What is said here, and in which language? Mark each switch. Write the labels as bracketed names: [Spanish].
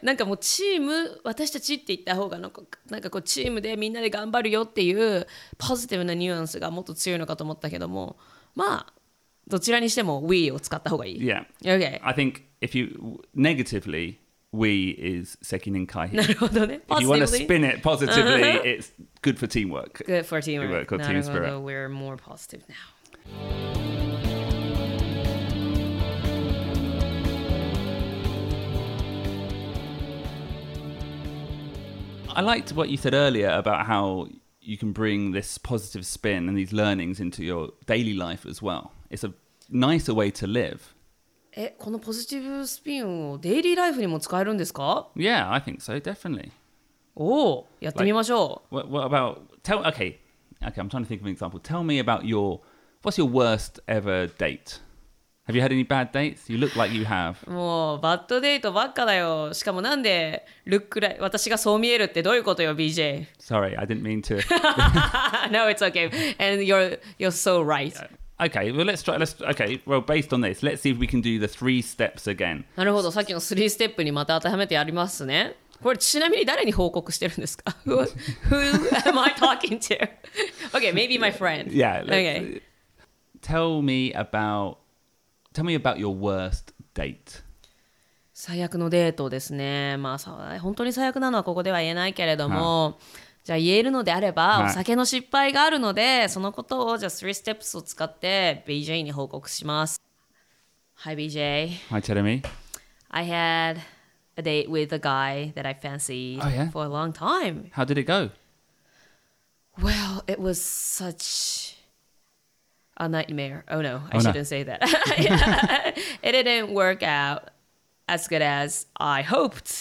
[Japanese] なんかもうチーム、私たちって言った方がなんかこうチームでみんなで頑張るよっていうポジティブなニュアンスがもっと強いのかと思ったけども、まあ、どちらにしても we を使った方がいい。 [English] Yeah. Okay. I think if you negatively we is 責任回避。 [Japanese] なるほどね。 [English] If you want to spin it positively, it's good for teamwork. Good for teamwork. Good for team spirit. We're more positive now. I liked what you said earlier about how you can bring this positive spin and these learnings into your daily life as well. It's a nicer way to live. [Japanese] え、このポジティブスピンをデイリーライフにも使えるんですか? [English] Yeah, I think so, definitely. [Japanese] Oh, やってみましょう。 [English] What about, I'm trying to think of an example. Tell me about what's your worst ever date? Have you had any bad dates? You look like you have. [Japanese] もうバッドデートばっかだよ。しかもなんでルックライ、私がそう見えるってどういうことよ、BJ? [English] Sorry, I didn't mean to. No, it's okay. And you're so right. Okay, well, based on this, let's see if we can do the three steps again. [Japanese] なるほど、さっきの3ステップにまた当てはめてやりますね。これ、ちなみに誰に報告してるんですか? [English] Who am I talking to? Okay, maybe my friend. Yeah, okay. Tell me about your worst date. [Japanese] 最悪のデートですね。まあ、本当に最悪なのはここでは言えないけれども、huh. じゃあ言えるのであれば、はい、お酒の失敗があるのでそのことをじゃあ3ステップスを使って BJ に報告します。 [English] Hi BJ. Hi Jeremy. I had a date with a guy that I fancied、 oh, yeah? for a long time. How did it go? Well, it was such a nightmare. Oh no, I shouldn't say that. It didn't work out as good as I hoped.